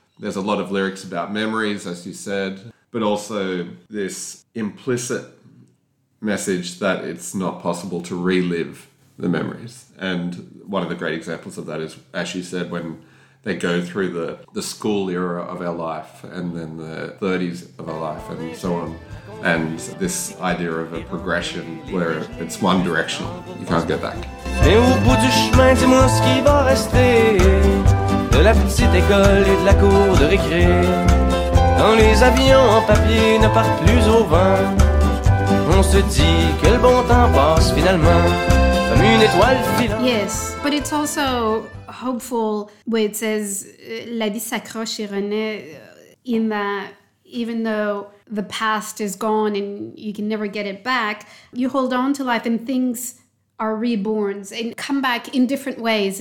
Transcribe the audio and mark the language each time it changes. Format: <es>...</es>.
<en>There's a lot of lyrics about memories, as you said, but also this implicit message that it's not possible to relive the memories. And one of the great examples of that is, as you said, when they go through the school era of our life and then the 30s of our life and so on. And this idea of a progression where it's one direction, you can't get back.</en> <fr>Et au bout du chemin, dis-moi ce qui va rester de la petite école et de la cour de récré. Quand les avions en papier ne partent plus au vent, on se dit que le bon temps passe finalement comme une étoile filante.</fr> <en>Yes, but it's also hopeful where it says</en> <fr>la vie s'accroche et renaît,</fr> <en>in that even though the past is gone and you can never get it back, you hold on to life and things are reborns and come back in different ways.</en>